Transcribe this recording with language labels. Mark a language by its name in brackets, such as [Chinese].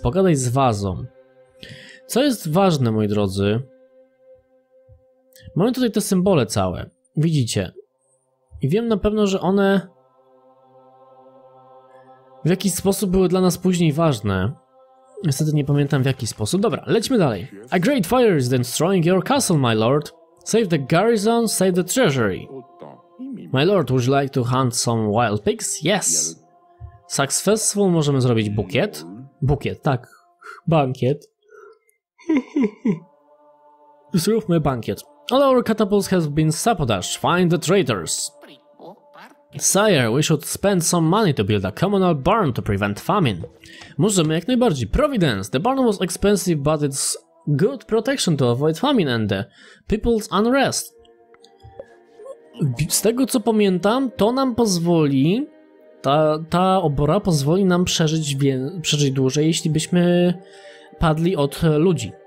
[Polish] Pogadaj z wazą. Co jest ważne, moi drodzy? Mamy tutaj te symbole całe. Widzicie. I wiem na pewno, że one... w jakiś sposób były dla nas później ważne. Niestety nie pamiętam w jaki sposób. Dobra, lećmy dalej. [English] A great fire is destroying your castle, my lord. Save the garrison, save the treasury. My lord, would you like to hunt some wild pigs? Yes. [Polish] Successful, możemy zrobić bukiet. Bukiet, tak. Bankiet. Zróbmy bankiet. [English] All our catapults have been sabotaged. Find the traitors. Sire, we should spend some money to build a communal barn to prevent famine. [Polish] Możemy jak najbardziej. [English] Providence, the barn was expensive, but it's good protection to avoid famine and the people's unrest. [Polish] Z tego co pamiętam, to nam pozwoli, ta obora pozwoli nam przeżyć dłużej, jeśli byśmy padli od ludzi.